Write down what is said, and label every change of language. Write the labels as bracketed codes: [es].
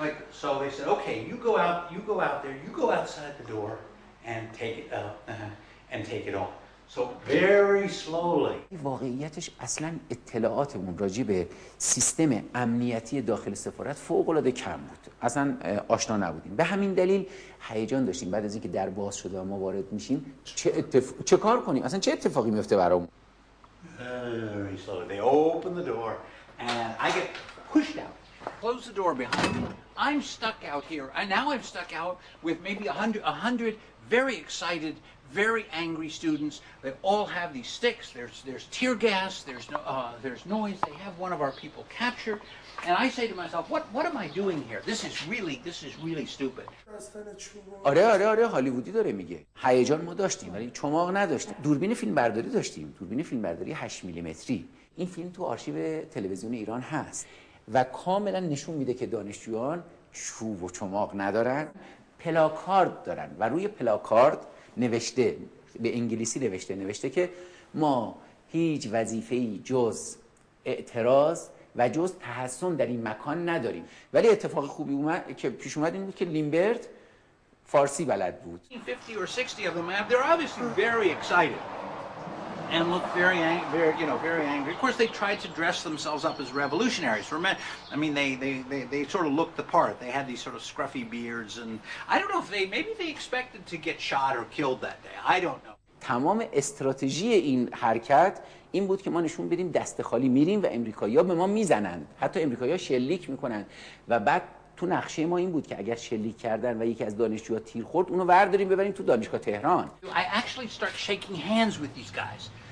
[en] So they said, okay, you go outside the door and take it on. So very slowly. [fa] واقعیتش اصلا اطلاعاتمون راجع به سیستم امنیتی داخل سفارت فوق‌العاده کم بود. اصلا آشنا نبودیم. به همین دلیل هیجان داشتیم بعد از اینکه در باز شد و ما وارد میشیم چه کار کنیم؟ اصلا چه اتفاقی میفته برامون؟ [en] Very slowly. They open the door and I get pushed out. Close the door behind me. I'm stuck out here. And now I'm stuck out with maybe 100 very excited, very angry students. They all have these sticks. There's tear gas. There's noise. They have one of our people captured. And I say to myself, what am I doing here? This is really stupid. [fa] آره هالیوودی داره میگه. هیجان ما داشتیم ولی چماق نداشتیم. دوربین فیلم برداری داشتیم. دوربین فیلم برداری 8 میلیمتری. این فیلم تو آرشیو تلویزیون ایران هست و کاملا نشون میده که دانشجویان چوب و چماق ندارن، پلاکارد دارن و روی پلاکارد نوشته، به انگلیسی نوشته که ما هیچ وظیفه‌ای جز اعتراض و جز تحصن در این مکان نداریم. ولی اتفاق خوبی اومد که پیش اومد این بود که لیمبرت فارسی بلد بود. [en] 50 or 60 of them, they're obviously very excited and look very angry. Of course, they tried to dress themselves up as revolutionaries. For men, I mean, they sort of looked the part. They had these sort of scruffy beards, and I don't know if they, maybe they expected to get shot or killed that day. I don't know. [fa] تمام استراتژی این حرکت این بود که ما نشون بدیم دست خالی میریم و امریکایی‌ها به ما میزنند. حتی امریکایی‌ها شلیک میکنند و بعد تو نقشه ما این بود که اگر شلیک کردن و یکی از دانشجوها تیر خورد اونو برداریم ببریم تو دانشگاه تهران. [en] I actually start shaking hands with these guys.